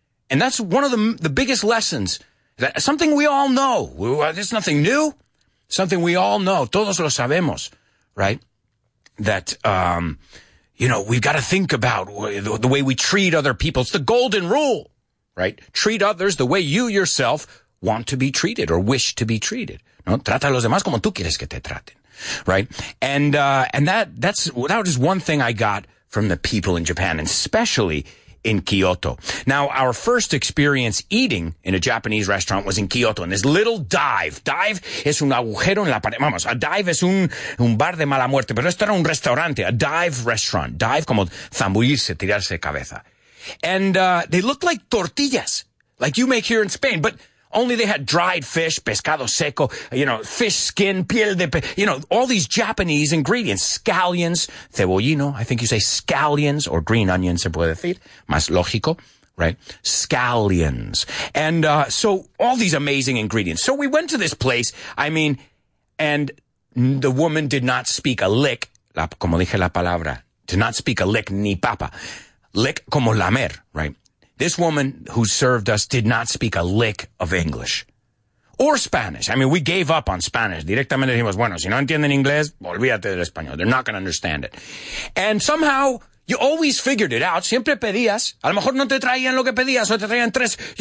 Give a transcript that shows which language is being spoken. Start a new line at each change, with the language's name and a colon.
English: And that's one of the biggest lessons. That something we all know. There's nothing new. Something we all know,
Spanish: todos lo sabemos,
English: right? That, you know, we've got to think about the way we treat other people. It's the golden rule, right? Treat others the way you yourself want to be treated or wish to be treated.
Spanish: ¿No? Trata a los demás como tú quieres que te traten, right?
English: And that is one thing I got from the people in Japan, and especially in Kyoto. Now, our first experience eating in a Japanese restaurant was in Kyoto, in this little dive.
Spanish: Dive es un agujero en la pared. Vamos, a dive es un bar de mala muerte, pero esto era un restaurante,
English: a dive restaurant.
Spanish: Dive como zambullirse, tirarse cabeza.
English: And they looked like tortillas, like you make here in Spain, but only they had dried fish,
Spanish: pescado seco,
English: you know, fish skin,
Spanish: piel de
English: you know, all these Japanese ingredients, scallions,
Spanish: cebollino,
English: I think you say scallions, or green onions,
Spanish: se puede decir, más lógico,
English: right? Scallions. And so all these amazing ingredients. So we went to this place, I mean, and the woman did not speak a lick,
Spanish: como dije la palabra,
English: did not speak a lick
Spanish: ni papa,
English: lick
Spanish: como lamer,
English: right? This woman who served us did not speak a lick of English or Spanish. I mean, we gave up on Spanish.
Spanish: Directamente dijimos, bueno, si no entienden inglés, olvídate del español.
English: They're not going to understand it. And somehow, you always figured it out.
Spanish: Siempre pedías. A lo mejor no te traían lo que pedías o te traían tres.